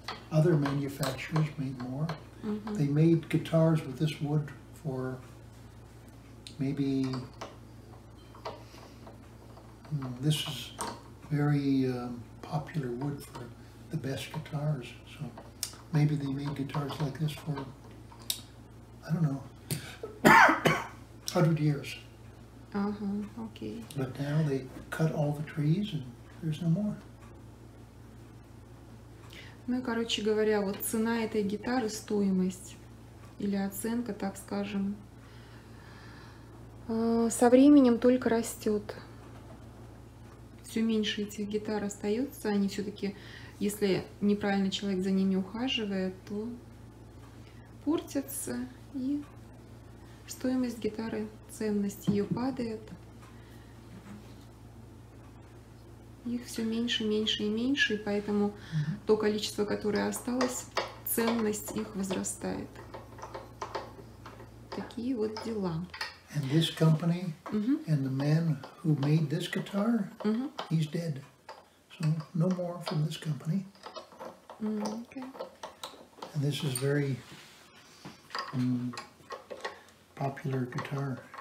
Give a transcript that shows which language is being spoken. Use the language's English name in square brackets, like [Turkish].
[English] Other manufacturers made more. They made guitars with this wood for maybe, this is very popular wood for the best guitars. So maybe they made guitars like this for, I don't know. 100 years. Uh-huh, okay. But now they cut all the trees and there's no more. [Russian] Ну и, короче говоря, вот цена этой гитары, стоимость или оценка, так скажем, со временем только растет. Все меньше этих гитар остается. Они все-таки, если неправильно человек за ними ухаживает, то портятся, и стоимость гитары, ценность ее падает. Их все меньше, меньше и меньше, и поэтому то количество, которое осталось, ценность их возрастает. Такие вот дела. [English] And this company, and the man who made this guitar, he's dead. So no more from this company. Okay. And this is very popular guitar.